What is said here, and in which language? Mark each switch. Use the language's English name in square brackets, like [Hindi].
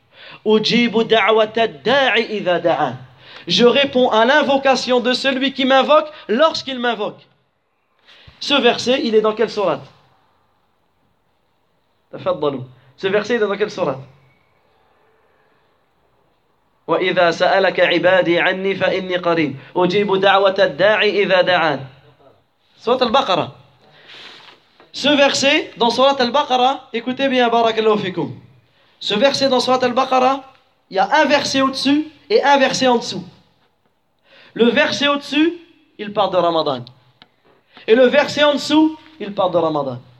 [Arabic] « Ujibu da'wata da'i idha da'a [French] » Je réponds à l'invocation de celui qui m'invoque lorsqu'il m'invoque. Ce verset, il est dans quelle sourate ? Tafaddalou. Ce verset, il est dans quelle sourate ? [Arabic] وإذا سألك عبادي عني فإني قريب أجيب دعوة الداعي إذا دعان. سورة البقرة. [French] Ce verset dans Surat al-Baqarah, écoutez bien, barakallahu fikum. Ce verset dans Surat al-Baqarah, il y a un verset au-dessus et un verset en dessous. Le verset au-dessus, il parle de Ramadan. Et le verset en dessous, il parle de Ramadan.